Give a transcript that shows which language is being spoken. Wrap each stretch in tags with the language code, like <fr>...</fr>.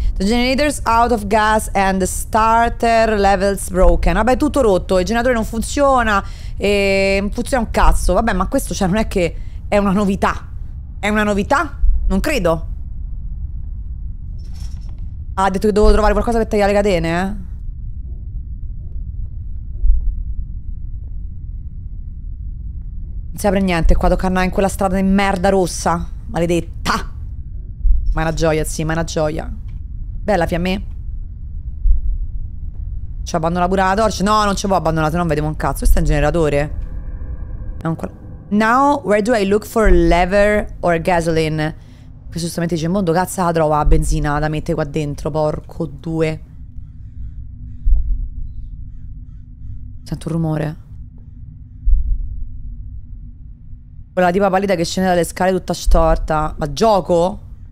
<en>The generator's out of gas and the starter level's broken.</en> <it>Vabbè, tutto rotto. Il generatore non funziona. E funziona un cazzo. Vabbè, ma questo cioè non è che è una novità. È una novità? Non credo. Ha detto che dovevo trovare qualcosa per tagliare le catene, eh? Non si apre niente qua, tocca andare in quella strada di merda rossa. Maledetta. Ma è una gioia, sì, ma è una gioia. Bella fiamme. Ci ho abbandonato pure la torcia. No, non ci può abbandonare, se no non vediamo un cazzo. Questo è un generatore. È un qual...</it> <en>Now, where do I look for lever or gasoline?</en> <it>Questo giustamente dice, mondo cazzo la trova la benzina da mettere qua dentro, porco due. Sento un rumore. Quella tipa pallida che scende dalle scale tutta storta. Ma gioco?</it>